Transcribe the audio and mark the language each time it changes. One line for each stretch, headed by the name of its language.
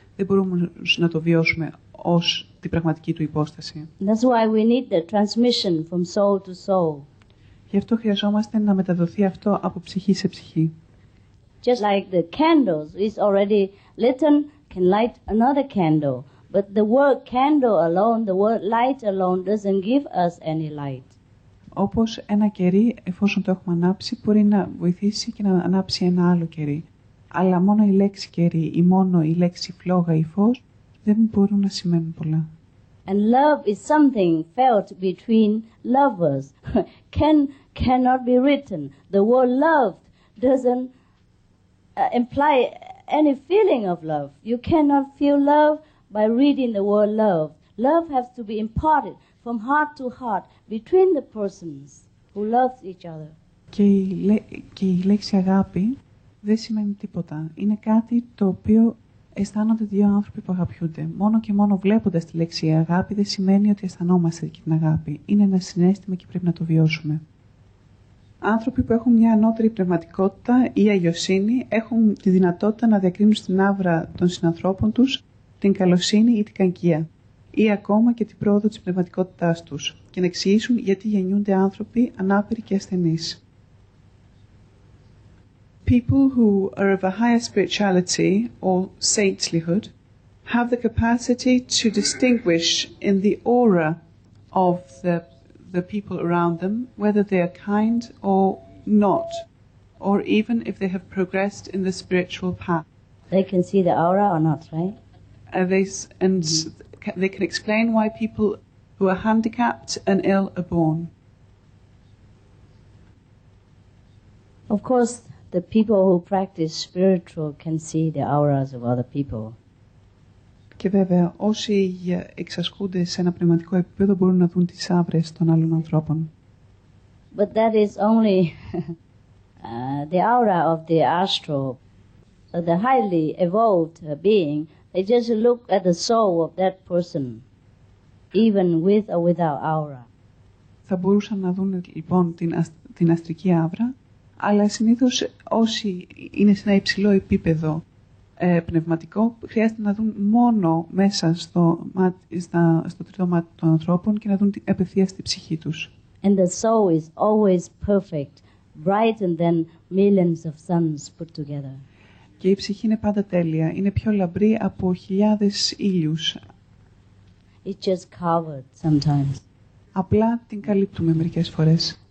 Greek: Δεν μπορούμε να το βιώσουμε ως την πραγματική του υπόσταση.
English: That's why we need the transmission from soul to soul.
Greek: Γι' αυτό χρειαζόμαστε να μεταδοθεί αυτό από ψυχή σε ψυχή.
English: Just like the candles is already lit, can light another candle. But the word candle alone, the word light alone, doesn't give us any light.
Greek: Όπως ένα κερί, εφόσον το έχουμε ανάψει, μπορεί να βοηθήσει και να ανάψει ένα άλλο κερί. Αλλά μόνο η λέξη κερί ή μόνο η λέξη φλόγα ή φως δεν μπορούν να σημαίνουν πολλά.
English: And love is something felt between lovers. cannot be written. The word loved doesn't imply any feeling of love. You cannot feel love by reading the word love. Love has to be imparted from heart to heart between the persons who love each other.
Greek: Και η λέξη αγάπη δεν σημαίνει τίποτα. Είναι κάτι το οποίο αισθάνονται δύο άνθρωποι που αγαπιούνται. Μόνο και μόνο βλέποντας τη λέξη αγάπη δεν σημαίνει ότι αισθανόμαστε και την αγάπη. Είναι ένα συνέστημα και πρέπει να το βιώσουμε. Άνθρωποι που έχουν μια ανώτερη πνευματικότητα ή αγιοσύνη έχουν τη δυνατότητα να διακρίνουν στην αύρα των συνανθρώπων τους την καλοσύνη ή την κακία ή ακόμα και την πρόοδο της πνευματικότητάς τους και να εξηγήσουν γιατί γεννιούνται άνθρωποι ανάπηροι και ασθενείς.
English: People who are of a higher spirituality or saintlyhood have the capacity to distinguish in the aura of the people around them, whether they are kind or not, or even if they have progressed in the spiritual path. They can see the aura or not, right? They can explain why people who are handicapped and ill are born. Of course, the people who practice spiritual can see the auras of other people.
Greek: Και βέβαια, όσοι εξασκούνται σε ένα πνευματικό επίπεδο μπορούν να δουν τις άβρες των άλλων ανθρώπων.
English: But that is only the aura of the astral, the highly evolved being. They just look at the soul of that person, even with or without aura.
Greek: Θα μπορούσαν να δουν λοιπόν την αστρική άβρα, αλλά συνήθως όσοι είναι σε ένα υψηλό επίπεδο πνευματικό, χρειάζεται να δουν μόνο μέσα στο τρίτο μάτι των ανθρώπων και να δουν απευθείας στη ψυχή τους.
English: And the soul is always perfect, brighter than millions of suns put together.
Greek: Και η ψυχή είναι πάντα τέλεια, είναι πιο λαμπρή από χιλιάδες ήλιους.
English: It's just covered sometimes.
Greek: Απλά την καλύπτουμε μερικές φορές.